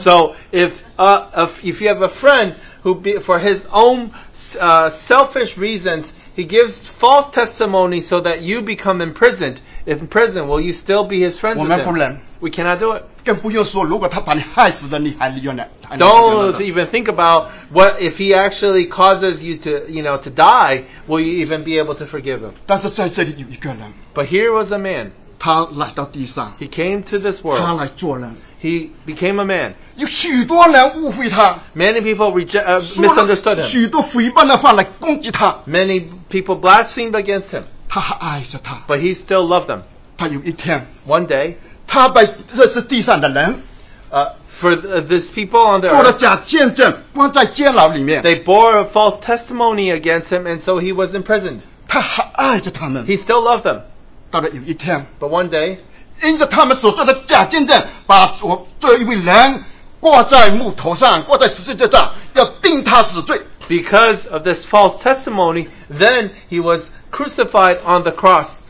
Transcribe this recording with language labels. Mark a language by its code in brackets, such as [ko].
[en] So, if you have a friend who, for his own selfish reasons, he gives false testimony so that you become imprisoned, if in prison, will you still be his friend? [zh] 我们不能, [en] we cannot do it. [zh] 更不用说,如果他把你害死了,你还能用呢? [en] Don't even think about what if he actually causes you to, you know, to die, will you even be able to forgive him? [zh] 但是在这里有一个人, [en] but here was a man. [zh] 他来到地上, [en] he came to this world. [zh] 他来做人, [en] he became a man. [zh] 有许多人误会他, [en] many people misunderstood him. [zh] 许多诽谤的话来攻击他, [en] many people blasphemed against him. [zh] 他还爱着他, [en] but he still loved them. [zh] 他有一天, [en] one day, [zh] 他把这是地上的人, [en] for these people on the earth, [zh] 做了假见证, 关在监牢里面, [en] they bore a false testimony against him, and so he was imprisoned. [zh] 他还爱着他们, [en] he still loved them. [zh] 到了有一天, [en] but one day, [zh] 因着他们所做的假见证, 把这一位人挂在木头上, 挂在十字架上, 要钉他死罪, [en] because of this false testimony, then he was crucified on the cross.